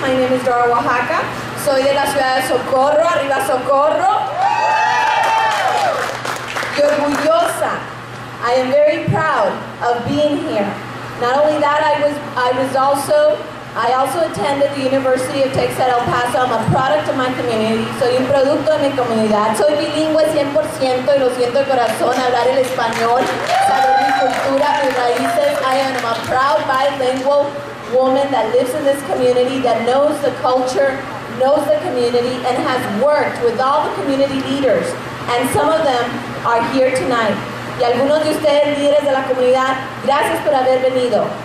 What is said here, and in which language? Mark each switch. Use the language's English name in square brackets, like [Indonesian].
[English] My name is Dora Oaxaca. [Spanish] Soy de la ciudad de Socorro. Arriba Socorro. Y orgullosa. [English] I am very proud of being here. Not only that, I also attended the University of Texas at El Paso. I'm a product of my community. [Spanish] Soy un producto de mi comunidad. Soy bilingüe 100% y lo siento de corazón hablar el español, saber mi cultura, mis raíces. [English] I am a proud bilingual woman that lives in this community, that knows the culture, knows the community, and has worked with all the community leaders. And some of them are here tonight. [Spanish] Y algunos de ustedes, líderes de la comunidad, gracias por haber venido.